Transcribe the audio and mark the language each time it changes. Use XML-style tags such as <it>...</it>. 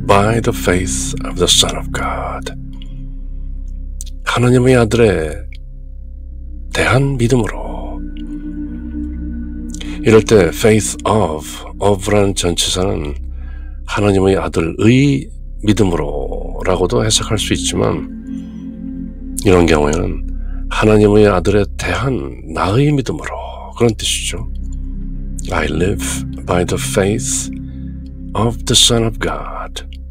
<en>By the faith of the Son of God.</en> <ko>하나님의 아들에 대한 믿음으로. 이럴 때 faith of라는 전치사는 하나님의 아들의 믿음으로라고도 해석할 수 있지만 이런 경우에는 하나님의 아들에 대한 나의 믿음으로 그런 뜻이죠.</ko> <en>I live by the faith of the Son of God.</en>